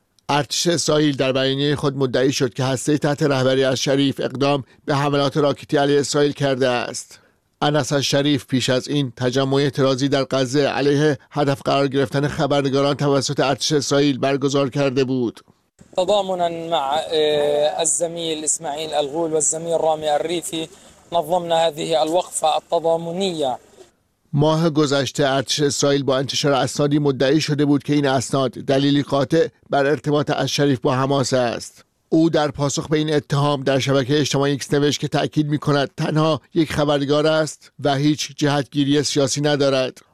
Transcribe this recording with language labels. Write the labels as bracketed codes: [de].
[fa] ارتش اسرائیل در بیانیه خود مدعی شد که هسته تحت رهبری از شریف اقدام به حملات راکتی علیه اسرائیل کرده است. انس شریف پیش از این تجمع اعتراضی در غزه علیه هدف قرار گرفتن خبرنگاران توسط ارتش اسرائیل برگزار کرده بود. [ar] تضامنا مع الزميل اسماعيل الغول والزميل رامي الريفي نظمنا هذه الوقفه التضامنيه. [fa] ماه گذشته ارتش اسرائیل با انتشار اسنادی مدعی شده بود که این اسناد دلیلی قاطع بر ارتباط الشریف با حماس است. او در پاسخ به این اتهام در شبکه اجتماعی ایکس نوشت که تأکید می‌کند تنها یک خبرنگار است و هیچ جهت‌گیری سیاسی ندارد.